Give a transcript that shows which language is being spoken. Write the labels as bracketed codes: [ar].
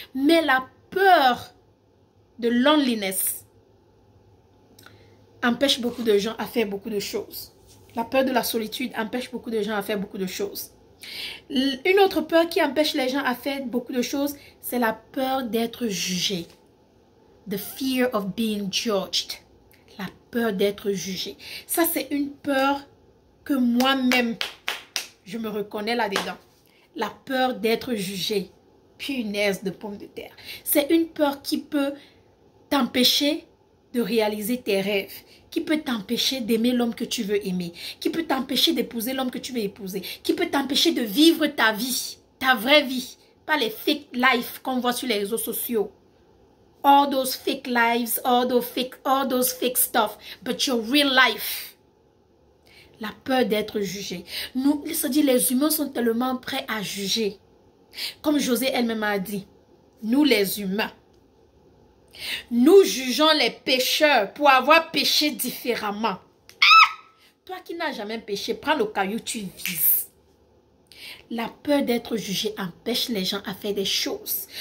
[fr] Mais la peur de loneliness empêche beaucoup de gens à faire beaucoup de choses. La peur de la solitude empêche beaucoup de gens à faire beaucoup de choses. Une autre peur qui empêche les gens à faire beaucoup de choses, c'est la peur d'être jugé. [en] The fear of being judged. [fr] La peur d'être jugé. Ça, c'est une peur que moi-même, je me reconnais là-dedans. la peur d'être jugé. Punaise de pomme de terre. C'est une peur qui peut t'empêcher de réaliser tes rêves, qui peut t'empêcher d'aimer l'homme que tu veux aimer, qui peut t'empêcher d'épouser l'homme que tu veux épouser, qui peut t'empêcher de vivre ta vie, ta vraie vie, pas les fake life qu'on voit sur les réseaux sociaux. [en] All those fake lives, all those fake stuff, but your real life. [fr] La peur d'être jugé. Nous, il se dit, les humains sont tellement prêts à juger. Comme José elle-même a dit, nous les humains, nous jugeons les pécheurs pour avoir péché différemment. Ah! Toi qui n'as jamais péché, prends le caillou, tu vises. La peur d'être jugé empêche les gens à faire des choses.